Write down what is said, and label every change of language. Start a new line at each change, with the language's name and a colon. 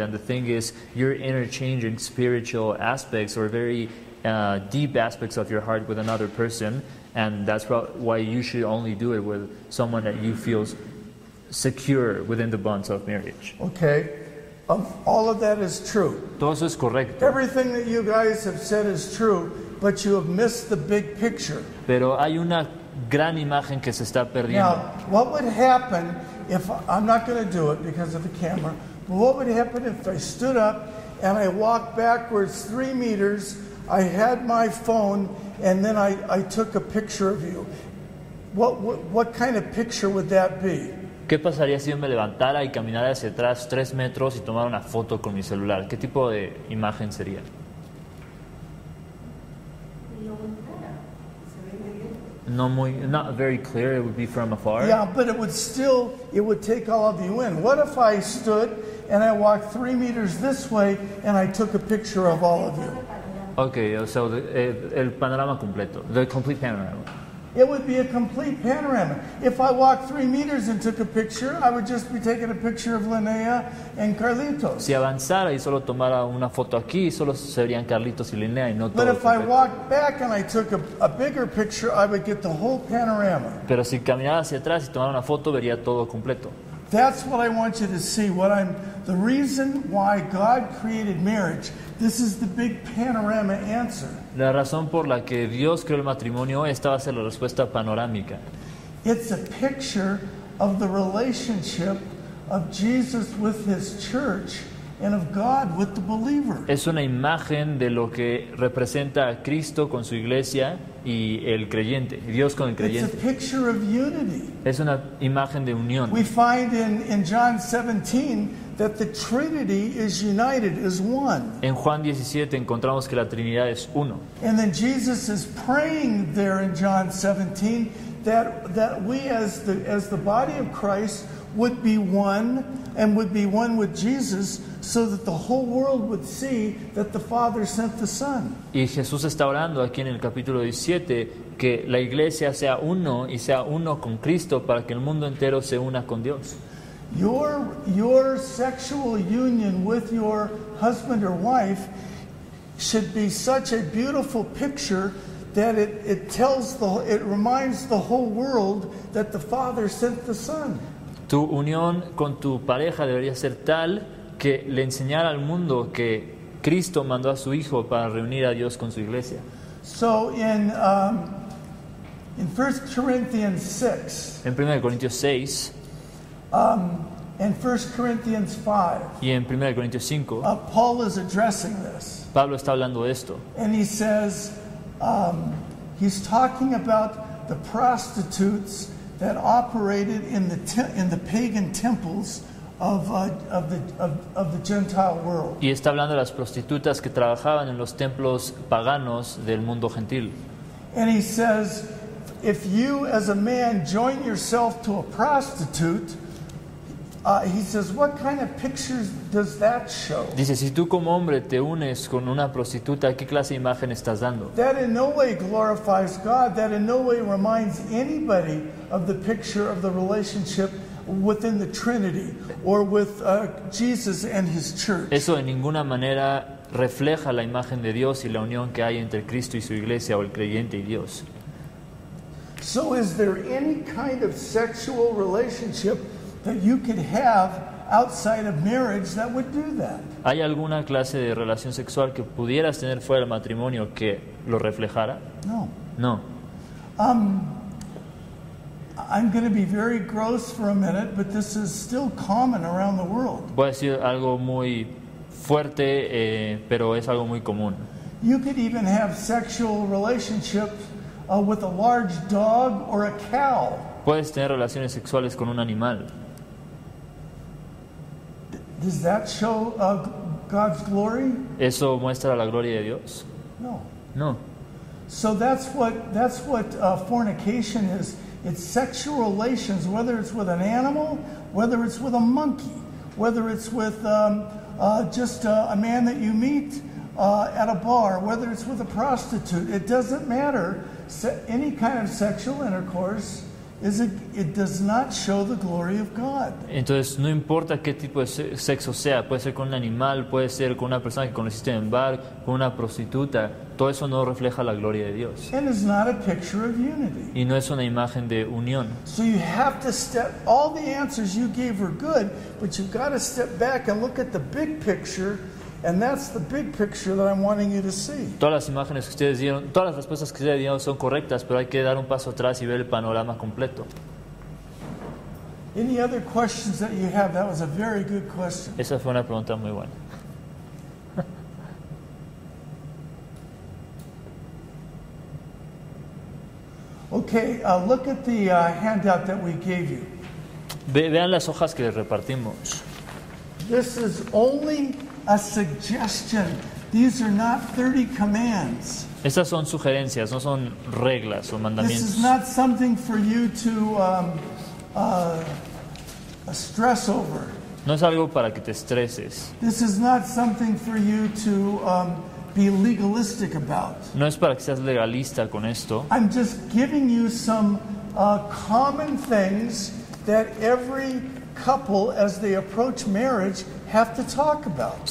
English: And the thing is, you're interchanging spiritual aspects or very deep aspects of your heart with another person, and that's why you should only do it with someone that you feel secure within the bonds of marriage. Okay. All of that is true.
Spanish: Todo eso es correcto.
English: Everything that you guys have said is true. But you have missed the big picture.
Spanish: Pero hay una gran imagen que se está perdiendo.
English: Now, what would happen if I'm not going to do it because of the camera? But what would happen if I stood up and I walked backwards 3 meters? I had my phone and then I took a picture of you. What kind of picture would that be?
Spanish: ¿Qué pasaría si yo me levantara y caminara hacia atrás 3 metros y tomara una foto con mi celular? ¿Qué tipo de imagen sería?
English: Not very clear. It would be from afar. Yeah, but it would take all of you in. What if I stood and I walked 3 meters this way and I took a picture of all of you? Okay, so
Spanish: el panorama completo,
English: the complete panorama. It would be a complete panorama. If I walked 3 meters and took a picture, I would just be taking a picture of Linnea and Carlitos.
Spanish: Si avanzara y solo tomara una foto aquí, solo serían Carlitos y Linnea y no todo.
English: But if I walked back and I took a bigger picture, I would get the whole panorama.
Spanish: Pero si caminara hacia atrás y tomara una foto, vería todo completo.
English: That's what I want you to see. The reason why God created marriage, this is the big panorama answer.
Spanish: La razón por la que Dios creó el matrimonio, esta va a ser la respuesta panorámica.
English: It's a picture of the relationship of Jesus with his church and of God with the believer.
Spanish: Es una imagen de lo que representa a Cristo con su iglesia y el creyente, Dios con el creyente.
English: It's a picture of unity.
Spanish: Es una imagen de unión.
English: We find in John 17 that the Trinity is united, is one.
Spanish: En Juan 17 encontramos que la Trinidad es uno.
English: And then Jesus is praying there in John 17 that we as the body of Christ would be one and would be one with Jesus, so that the whole world would see that the Father sent the Son.
Spanish: Y Jesús está orando aquí en el capítulo 17 que la iglesia sea uno y sea uno con Cristo para que el mundo entero se una con Dios.
English: Your sexual union with your husband or wife should be such a beautiful picture that it reminds the whole world that the Father sent the Son.
Spanish: Tu unión con tu pareja debería ser tal que le enseñara al mundo que Cristo mandó a su Hijo para reunir a Dios con su iglesia.
English: So in 1 Corinthians 6,
Spanish: en 1 Corintios 6,
English: and 1 Corinthians 5,
Spanish: y en 1 Corintios 5,
English: Paul is addressing this.
Spanish: Pablo está hablando de esto.
English: And he says, he's talking about the prostitutes that operated in the pagan temples of the Gentile world.
Spanish: Y está hablando de las prostitutas que trabajaban en los templos paganos del mundo gentil.
English: And he says, if you as a man join yourself to a prostitute, he says, what kind of pictures does that show?
Spanish: Dice, si tú como hombre te unes con una prostituta, ¿qué clase de imagen estás dando?
English: That in no way glorifies God, that in no way reminds anybody of the picture of the relationship within the Trinity or with Jesus and his church.
Spanish: Eso de ninguna manera refleja la imagen de Dios y la unión que hay entre Cristo y su iglesia o el creyente y Dios.
English: So is there any kind of sexual relationship that you could have outside of marriage that would do that?
Spanish: ¿Hay alguna clase de relación sexual que pudieras tener fuera del matrimonio que lo reflejara?
English: No.
Spanish: No.
English: I'm going to be very gross for a minute, but this is still common around the world.
Spanish: Voy a decir algo muy fuerte, pero es algo muy común.
English: You could even have sexual relationships with a large dog or a cow.
Spanish: Puedes tener relaciones sexuales con un animal.
English: Does that show God's glory?
Spanish: ¿Eso muestra la gloria de Dios?
English: No.
Spanish: No.
English: So that's what fornication is. It's sexual relations, whether it's with an animal, whether it's with a monkey, whether it's with a man that you meet at a bar, whether it's with a prostitute. It doesn't matter. Any kind of sexual intercourse it does not show the glory of God.
Spanish: Entonces, no importa qué tipo de sexo sea, puede ser con un animal, puede ser con una persona que conociste en un bar, con una prostituta, todo eso no refleja la gloria de Dios.
English: And it's not a picture of unity.
Spanish: Y no es una imagen de unión.
English: So you have to step, all the answers you gave were good, but you've got to step back and look at the big picture. And that's the big picture that I'm wanting you to see.
Spanish: Todas las imágenes que ustedes dieron, todas las respuestas que ustedes dieron son correctas, pero hay que dar un paso atrás y ver el panorama completo.
English: Any other questions that you have? That was a very good question.
Spanish: Esa fue una pregunta muy buena.
English: Okay, look at the handout that we gave you.
Spanish: Vean las hojas que les repartimos.
English: This is only a suggestion. These are not 30 commands.
Spanish: Estas son sugerencias, no son reglas o mandamientos.
English: This is not something for you to stress over.
Spanish: No es algo para que te estreses.
English: This is not something for you to be legalistic about.
Spanish: No es para que seas legalista con esto.
English: I'm just giving you some common things that every couple, as they approach marriage, have to talk about.